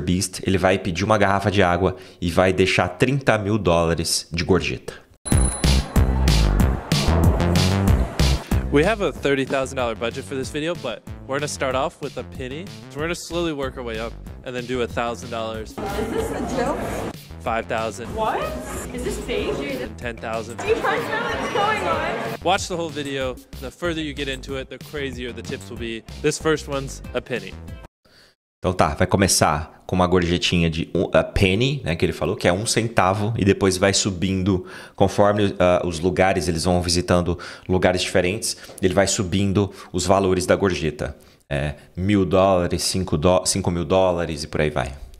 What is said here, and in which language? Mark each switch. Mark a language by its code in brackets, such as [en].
[pt] Beast, ele vai pedir uma garrafa de água e vai deixar 30 mil dólares de gorjeta. [en] We have a $30,000 budget for this video, but we're gonna start off with a penny. So we're gonna slowly work our way up and then do $1,000. Is this a joke? $5,000. What? Is this fake? $10,000. Do you guys know what's going on? Watch the whole video. The further you get into it, the crazier the tips will be. This first one's a penny. [pt] Então tá, vai começar com uma gorjetinha de [en] a penny, [pt] né, que ele falou, que é um centavo, e depois vai subindo conforme os lugares, eles vão visitando lugares diferentes, ele vai subindo os valores da gorjeta. É, $1,000, $5,000 e por aí vai.